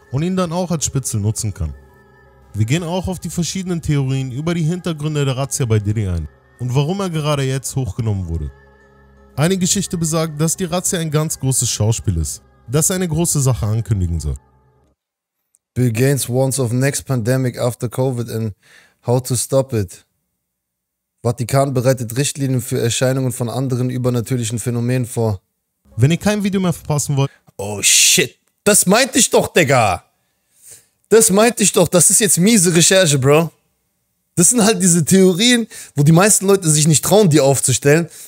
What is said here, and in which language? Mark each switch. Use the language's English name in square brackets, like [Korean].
[German] Und ihn dann auch als Spitzel nutzen kann. Wir gehen auch auf die verschiedenen Theorien über die Hintergründe der Razzia bei Diddy ein und warum er gerade jetzt hochgenommen wurde. Eine Geschichte besagt, dass die Razzia ein ganz großes Schauspiel ist, das eine große Sache ankündigen soll. [English] Bill Gates warns of next pandemic after COVID and how to stop it. [German] Vatikan bereitet Richtlinien für Erscheinungen von anderen übernatürlichen Phänomenen vor. Wenn ihr kein Video mehr verpassen wollt... Oh shit! Das meinte ich doch, Digga. Das meinte ich doch. Das ist jetzt miese Recherche, Bro. Das sind halt diese Theorien, wo die meisten Leute sich nicht trauen, die aufzustellen.